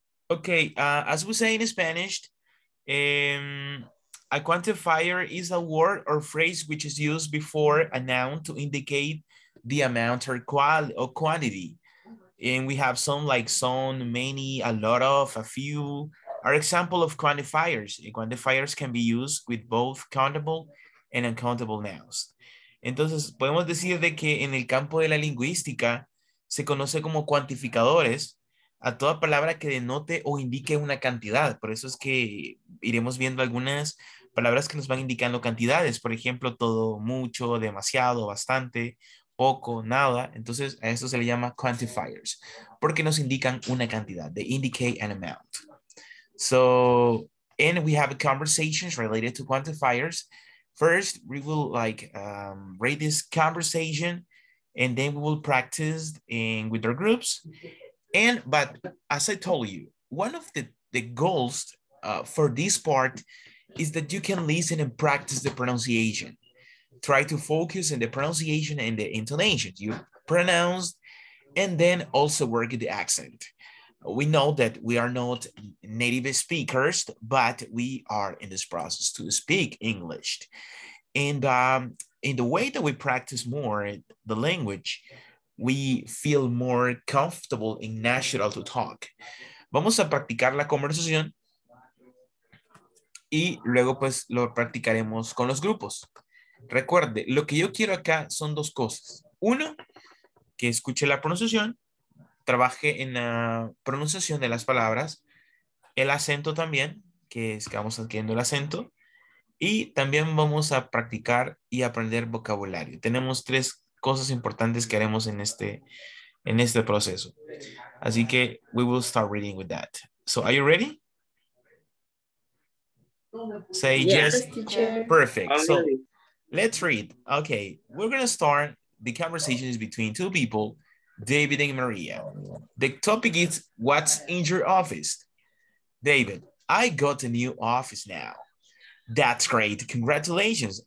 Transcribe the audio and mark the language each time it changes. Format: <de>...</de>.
<en>Okay, as we say in Spanish, a quantifier is a word or phrase which is used before a noun to indicate the amount or quantity. And we have some like some, many, a lot of, a few are example of quantifiers. Quantifiers can be used with both countable and uncountable nouns.</en> <es>Entonces, podemos decir de que en el campo de la lingüística se conoce como cuantificadores a toda palabra que denote o indique una cantidad. Por eso es que iremos viendo algunas palabras que nos van indicando cantidades. Por ejemplo, todo, mucho, demasiado, bastante, poco, nada. Entonces, a esto se le llama quantifiers, porque nos indican una cantidad.</es> <en>They indicate an amount. So, and we have conversations related to quantifiers. First, we will like rate this conversation, and then we will practice in with our groups. And, but as I told you, one of the goals for this part is that you can listen and practice the pronunciation. Try to focus on the pronunciation and the intonation. You pronounce and then also work the accent. We know that we are not native speakers, but we are in this process to speak English. And in the way that we practice more the language, we feel more comfortable and natural to talk.</en> <es>Vamos a practicar la conversación y luego pues lo practicaremos con los grupos. Recuerde, lo que yo quiero acá son dos cosas. Uno, que escuche la pronunciación, trabaje en la pronunciación de las palabras, el acento también, que es que vamos adquiriendo el acento, y también vamos a practicar y aprender vocabulario. Tenemos tres cosas importantes que haremos en este proceso.</es> <en>Así que we will start reading with that. So are you ready? Say yes. Yes, teacher. Perfect. So let's read. Okay, we're going to start. The conversation is between two people, David and Maria. The topic is what's in your office? David, I got a new office now. That's great. Congratulations.</en>